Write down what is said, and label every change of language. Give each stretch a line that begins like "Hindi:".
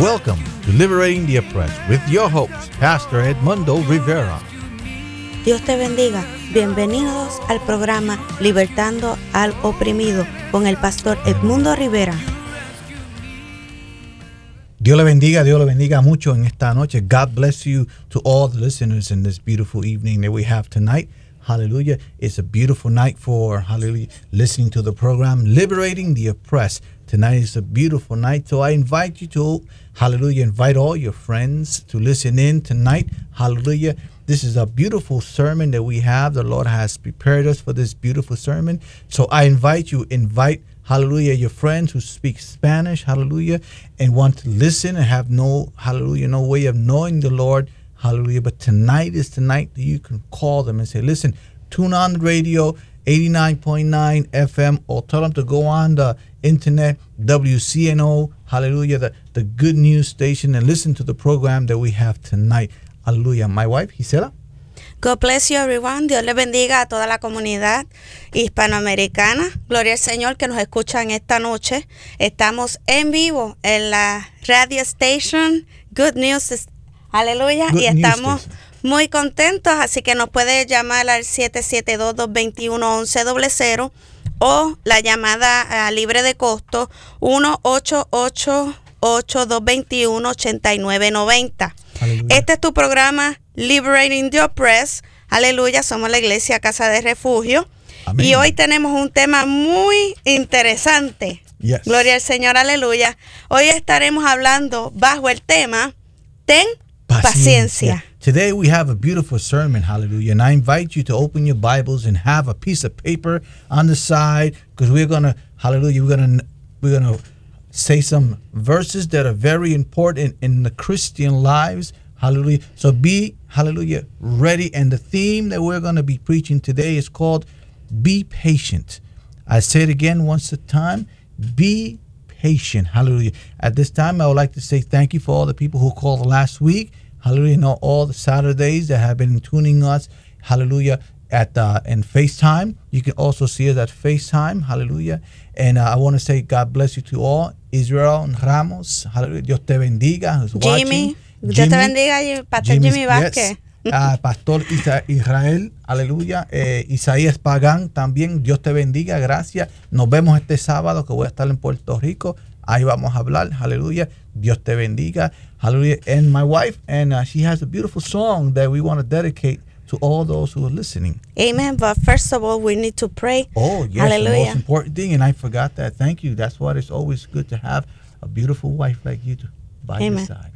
English: Welcome to Liberating the Oppressed with your host, Pastor Edmundo Rivera.
Spanish: Dios te bendiga. Bienvenidos al programa Libertando al Oprimido con el Pastor Edmundo Rivera. Dios le bendiga mucho en esta noche.
English: God bless you to all the listeners in this beautiful evening that we have tonight. Hallelujah. It's a beautiful night for, hallelujah, listening to the program Liberating the Oppressed. Tonight is a beautiful night, so I invite you to, hallelujah, invite all your friends to listen in tonight. Hallelujah. This is a beautiful sermon that we have. The Lord has prepared us for this beautiful sermon. So I invite you, invite, hallelujah, your friends who speak Spanish, hallelujah, and want to listen and have no, hallelujah, no way of knowing the Lord, hallelujah. But tonight is the night that you can call them and say, listen, tune on the radio, 89.9 FM, or tell them to go on the internet, WCNO, hallelujah, the good news station, and listen to the program that we have tonight. Hallelujah. My wife, Gisela. God bless you, everyone.
Spanish: Dios le bendiga a toda la comunidad hispanoamericana. Gloria al Señor que nos escuchan esta noche. Estamos en vivo en la radio station Good News. Aleluya. Y estamos muy contentos. Así que nos puede llamar al 772-221-1100 o la llamada libre de costo 1-888-221-8990. Aleluya. Este es tu programa Liberating the Oppressed. Aleluya, somos la iglesia Casa de Refugio. Amén. Y hoy tenemos un tema muy interesante.
English: Yes.
Spanish: Gloria al Señor, aleluya. Hoy estaremos hablando bajo el tema Ten paciencia.
English: Yeah. Today we have a beautiful sermon, hallelujah. And I invite you to open your Bibles and have a piece of paper on the side, because we're going to, hallelujah, we're going to say some verses that are very important in the Christian lives. Hallelujah. So be, hallelujah, ready. And the theme that we're going to be preaching today is called Be Patient. I say it again once a time. Be patient. Hallelujah. At this time, I would like to say thank you for all the people who called last week. Hallelujah. And all the Saturdays that have been tuning us. Hallelujah. In FaceTime. You can also see us at FaceTime. Hallelujah. And I want to say God bless you to all.
Spanish: Israel Ramos. Hallelujah. Dios te bendiga.
English: Who's Jimmy. Watching.
Spanish: Dios te bendiga. Pastor Jimmy Vázquez.
English: Yes.
Spanish: Pastor Israel. Hallelujah. Isaías Pagán también. Dios te bendiga. Gracias. Nos vemos este sábado que voy a estar en Puerto Rico. Ahí vamos a hablar. Hallelujah. Dios te bendiga. Hallelujah.
English: And my wife. And she has a beautiful song that we want to dedicate to all those who are listening. Amen. But first of all, we need to pray. Oh, yes. Hallelujah. The most important thing, and I forgot that. Thank you. That's why it's always good to have a beautiful wife like you by your side.